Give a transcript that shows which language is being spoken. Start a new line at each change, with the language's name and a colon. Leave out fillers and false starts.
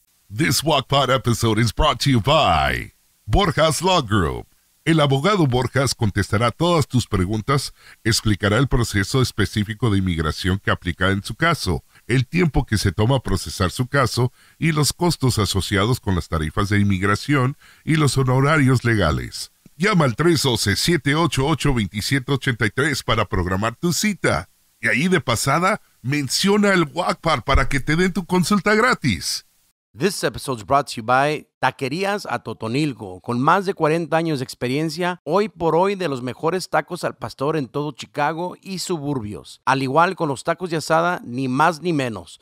English: This Guac Pod episode is brought to you by Borjas Law Group.
Spanish: El abogado Borjas contestará todas tus preguntas, explicará el proceso específico de inmigración que aplica en su caso, el tiempo que se toma procesar su caso y los costos asociados con las tarifas de inmigración y los honorarios legales. Llama al 312-788-2783 para programar tu cita. Y ahí de pasada, menciona el Guac Pod para que te den tu consulta gratis.
English: This episode is brought to you by Taquerías Atotonilco.
Spanish: Con más de 40 años de experiencia, hoy por hoy de los mejores tacos al pastor en todo Chicago y suburbios. Al igual con los tacos de asada, ni más ni menos.